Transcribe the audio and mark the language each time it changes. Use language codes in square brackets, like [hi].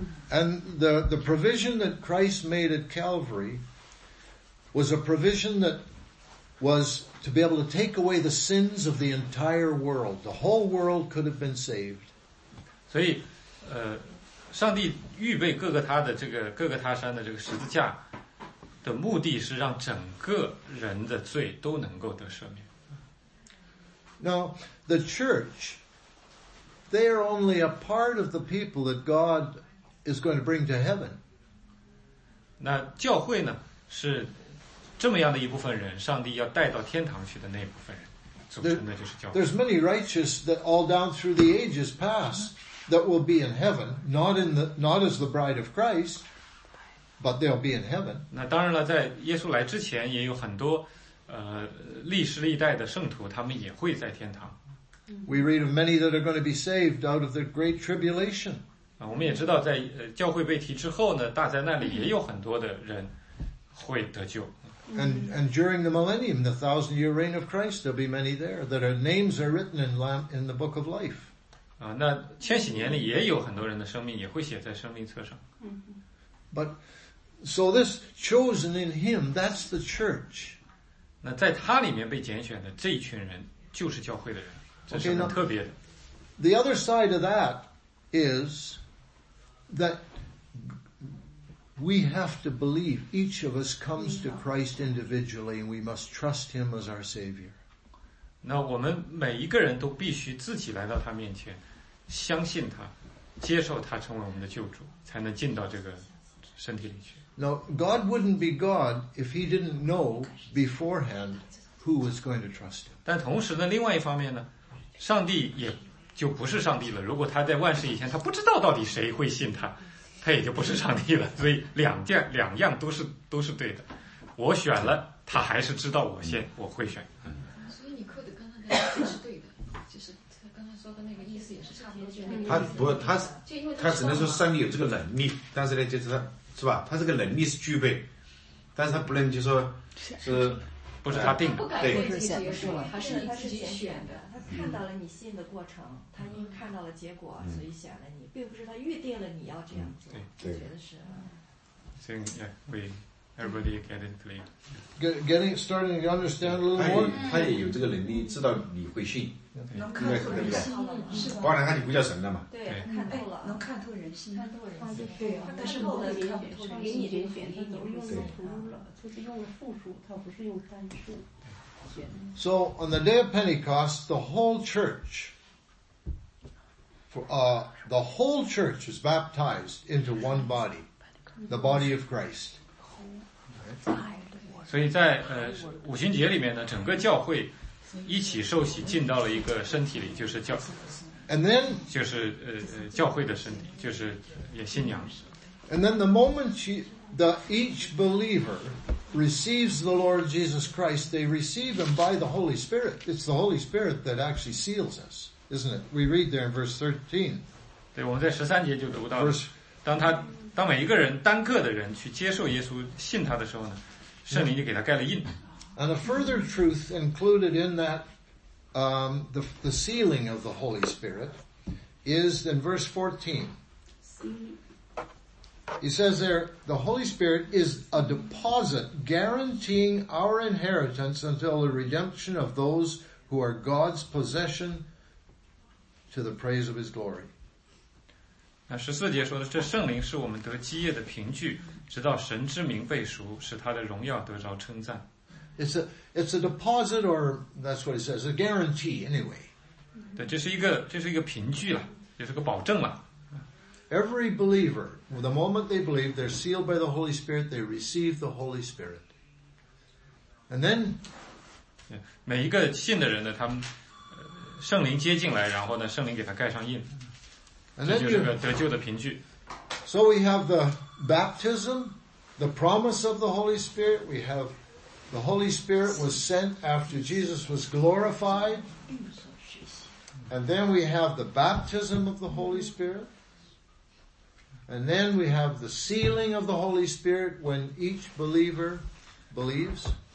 [en] And the provision that Christ made at Calvary was a provision that was to be able to take away the sins of the entire world. The whole world could have been saved. [zh] 所以，上帝预备各个他的这个各个他山的这个十字架的目的是让整个人的罪都能够得赦免。 [en] Now, the church, they are only a part of the people that God is going to bring to heaven. [zh] 那教会呢，是这么样的一部分人，上帝要带到天堂去的那部分人组成的就是教会。 [en] There's many righteous that all down through the ages past that will be in heaven, not as the bride of Christ. But they'll be in heaven. [zh] 那当然了，在耶稣来之前，也有很多，历世历代的圣徒，他们也会在天堂。 [en] We read of many that are going to be saved out of the great tribulation. [zh] 啊，我们也知道在，教会被提之后呢，大灾难里也有很多的人会得救。 [en] And during the millennium, the thousand-year reign of Christ, there'll be many there that are names are written in the book of life. [zh] 啊，那千禧年里也有很多人的生命也会写在生命册上。 [en] But so this chosen in Him, that's the church. [zh] 那在他里面被拣选的这一群人就是教会的人，这是很特别的。 [en] The other side of that is that we have to believe. Each of us comes to Christ individually, and we must trust Him as our Savior. [zh] 那我们每一个人都必须自己来到他面前，相信他，接受他成为我们的救主，才能进到这个。 [en] Now, God wouldn't be God if He didn't know beforehand who was going to trust Him. [zh] 但同时呢，另外一方面呢，上帝也就不是上帝了。如果他在万事以前，他不知道到底谁会信他，他也就不是上帝了。所以两样都是对的。我选了，他还是知道我会选。所以你刚才讲的是对的，就是他刚才说的那个意思也是差不多，就是那个意思。他只能说上帝有这个能力，但是呢，就是他。是吧？他这个能力是具备，但是他不能就说是，不是他定的，他不改自己的决定，他是他自己选的。他看到了你信的过程，他因看到了结果，所以选了你，并不是他预定了你要这样做。嗯、对，我觉得是。所以 [en] ，Yeah, we everybody get it clear. Getting starting to understand a little more. [zh] 他也有这个能力，知道你会信，能看透人心了吗？是吧？当然，他就不叫神了嘛。对，看透了，能看透人心，看透人心。对啊，但是后来看透人心，给你人选，他都用的图了，就是用的复数，他不是用单数。 [en] So on the day of Pentecost, the whole church, the whole church is baptized into one body, the body of Christ. [zh] 所以在五旬节里面呢，整个教会一起受洗进到了一个身体里，就是教。 [en] And then [zh] 就是教会的身体，就是也信仰。 [en] And then the moment each believer receives the Lord Jesus Christ, they receive Him by the Holy Spirit. It's the Holy Spirit that actually seals us, isn't it? We read there in verse 13. [zh] 对，我们在十三节就读到了。当每一个人单个的人去接受耶稣、信他的时候呢，圣灵就给他盖了印。 [en] And a further truth included in that, the sealing of the Holy Spirit, is in verse 14. He says there, the Holy Spirit is a deposit guaranteeing our inheritance until the redemption of those who are God's possession to the praise of His glory. [zh] 那十四节说的，这圣灵是我们得基业的凭据，直到神之名被赎，使他的荣耀得着称赞。 [en] It's a deposit, or that's what it says, a guarantee anyway. [zh] 对，这是一个凭据了，也是个保证了。 [en] Every believer, the moment they believe, they're sealed by the Holy Spirit, they receive the Holy Spirit. And then, [zh] 每一个信的人呢，他们圣灵接进来，然后呢，圣灵给他盖上印，这就是个得救的凭据。 [en] So we have the baptism, the promise of the Holy Spirit. We have the Holy Spirit was sent after Jesus was glorified. And then we have the baptism of the Holy Spirit. And then we have the sealing of the Holy Spirit when each believer believes.